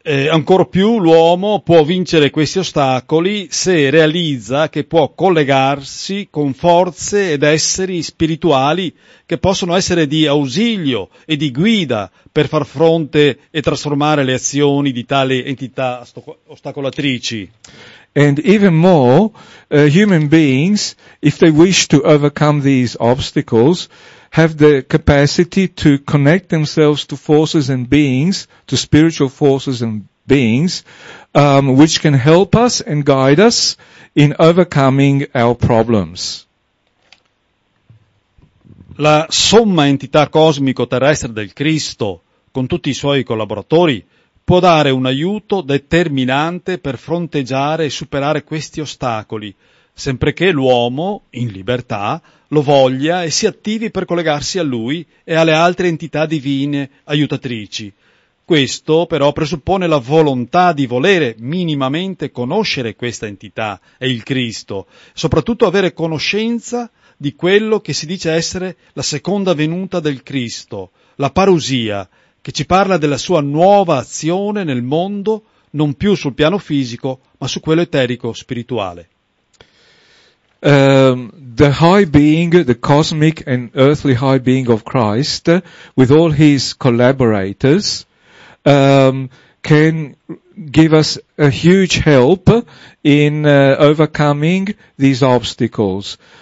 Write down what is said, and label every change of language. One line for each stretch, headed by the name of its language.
Italian: Ancora più l'uomo può vincere questi ostacoli se realizza che può collegarsi con forze ed esseri spirituali che possono essere di ausilio e di guida per far fronte e trasformare le azioni di tali entità ostacolatrici.
English: And even more, human beings, if they wish to overcome these obstacles, have the capacity to connect themselves to forces and beings, to spiritual forces and beings, which can help us and guide us in overcoming our problems.
Italian: La somma entità cosmico-terrestre del Cristo, con tutti i suoi collaboratori, può può dare un aiuto determinante per fronteggiare e superare questi ostacoli, sempre che l'uomo, in libertà, lo voglia e si attivi per collegarsi a lui e alle altre entità divine aiutatrici. Questo però presuppone la volontà di volere minimamente conoscere questa entità e il Cristo, soprattutto avere conoscenza di quello che si dice essere la seconda venuta del Cristo, la parusia, che ci parla della sua nuova azione nel mondo, non più sul piano fisico, ma su quello eterico spirituale.
English: The high being, the cosmic and earthly high being of Christ, with all his collaborators, can give us a huge help in overcoming these obstacles,